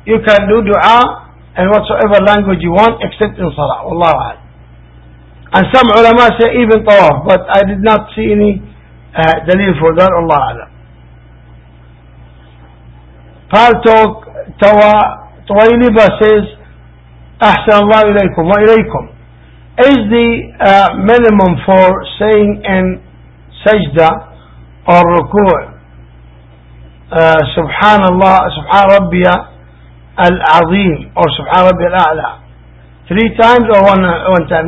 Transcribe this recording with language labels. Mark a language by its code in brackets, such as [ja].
[en] You can do dua in whatsoever language you want, except in salah. Wallahu a'lam. And some ulama say even tawaf, but I did not see any دليل for that. [ar] الله أعلم. فالتوك طويلبا says, أحسن الله إليكم وإليكم. [en] Is the minimum for saying in سجدة or ركوع [ar] سبحان الله سبحان ربي العظيم [en] or [ar] سبحان ربي الأعلى [en] 3 times or one time?